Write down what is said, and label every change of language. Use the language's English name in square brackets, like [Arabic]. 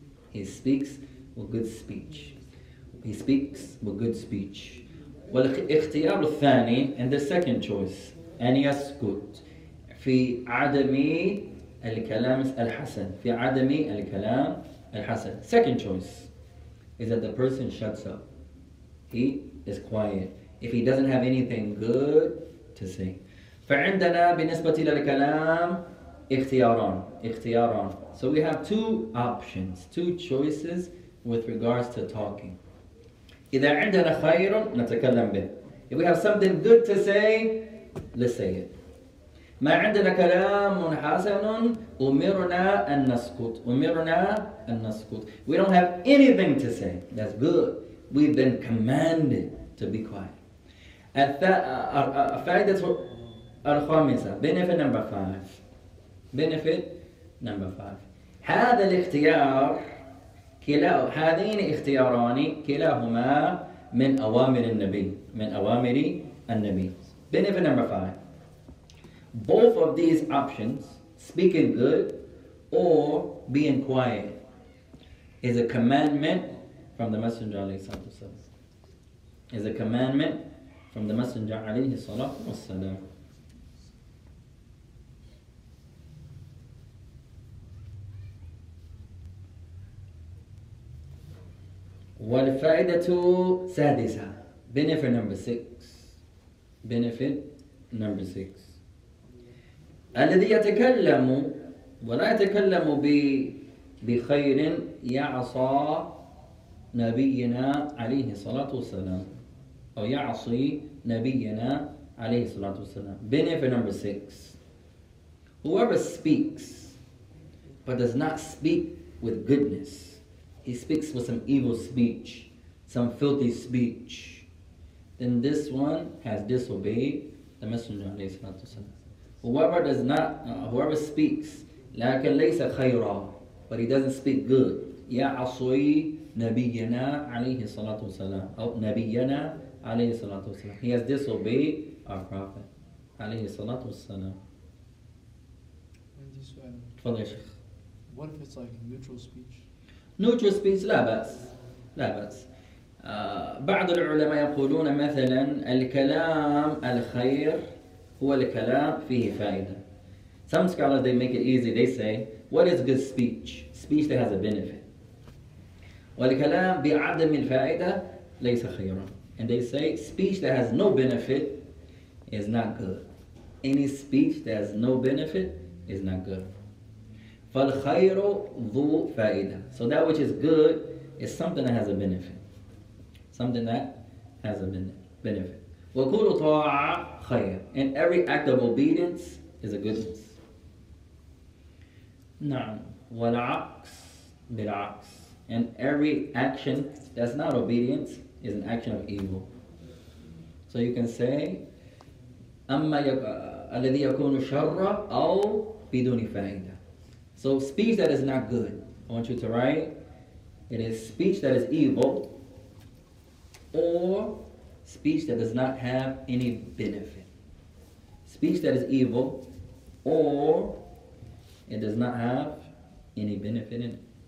[English] He speaks with good speech. He speaks with good speech. [Arabic] والاختيار الثاني, [English] and the second choice, [Arabic] أن يسكت في عدم الكلام الحسن. في عدم الكلام الحسن. [English] Second choice is that the person shuts up. He is quiet if he doesn't have anything good to say. [Arabic] فعندنا بالنسبة للكلام اختياران. [English] So we have two options, two choices with regards to talking. [Arabic] إذا عندنا خير نتكلم به. [English] If we have something good to say, let's say it. [Arabic] ما عندنا كلام حسن أمرنا أن نسكت. أمرنا أن نسكت. [English] We don't have anything to say that's good, we've been commanded to be quiet. [Arabic] الفائدة الخامسة, [English] benefit number five. Benefit number five. [Arabic] هذا الاختيار كلا هذين اختياران كلاهما من أوامر النبي. من أوامر النبي. [English] Benefit number five. Both of these options, speaking good or being quiet, is a commandment from the Messenger [Arabic] عليه الصلاة والسلام. [English] Is a commandment from the Messenger [Arabic] عليه الصلاة والسلام. والفائدة السادسة, [English] benefit number six. Benefit number six. [Arabic] الذي يتكلم ولا يتكلم بخير يعصى نبينا عليه الصلاة والسلام. أو يعصي نبينا عليه الصلاة والسلام. [English] Benefit number six. Whoever speaks but does not speak with goodness, he speaks with some evil speech, some filthy speech, then this one has disobeyed the Messenger [Arabic] عليه الصلاة والسلام. [English] Whoever does not, whoever speaks, [Arabic] لكن ليس خيرا, [English] but he doesn't speak good, [Arabic] يعصي نبينا عليه الصلاة والسلام, أو نبينا عليه الصلاة والسلام. [English] He has disobeyed our Prophet [Arabic] عليه الصلاة والسلام. تفضل يا شيخ. [English] What if it's like neutral speech? neutral speech [Arabic] لا بأس لا بأس. بعض العلماء يقولون مثلا الكلام الخير هو الكلام فيه فائدة. [English] Some scholars they make it easy. They say, what is good speech? Speech that has a benefit. [Arabic] والكلام بعدم الفائدة ليس خيرا. [English] And they say speech that has no benefit is not good. Any speech that has no benefit is not good. [Arabic] فالخير ذو فائدة. [English] So that which is good is something that has a benefit. Something that has a benefit. [Arabic] وكل طاعة خير. [English] And every act of obedience is a good. [Arabic] نعم والعكس بالعكس. [English] And every action that's not obedience is an action of evil. So you can say [Arabic] أما الذي يكون شر أو بدون فائدة. [English] So speech that is not good, I want you to write, it is speech that is evil or speech that does not have any benefit. Speech that is evil or it does not have any benefit in it.